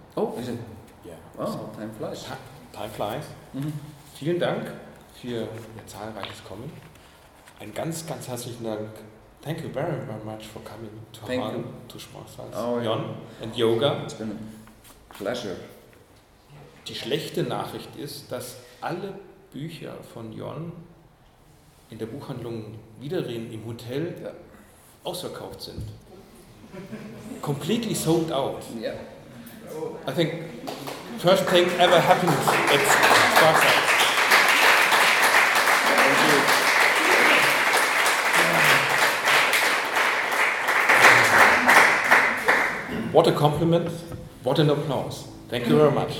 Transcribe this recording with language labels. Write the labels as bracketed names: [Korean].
[English] Oh, is it? Yeah. Oh, so time flies. Time flies. Mm-hmm. [German] Vielen Dank für Ihr zahlreiches Kommen. Ein ganz, ganz herzlichen Dank. [English] Thank you very, very much for coming to Hagen, to Schmorsals, Jon, and Yoga. It's been a pleasure. [German] Die schlechte Nachricht ist, dass alle Bücher von Jon in der Buchhandlung Widerrehen im Hotel ausverkauft sind. [English] Completely sold out. Yeah. I think first thing ever happens at Schmorsals. What a compliment, what an applause. Thank you very much.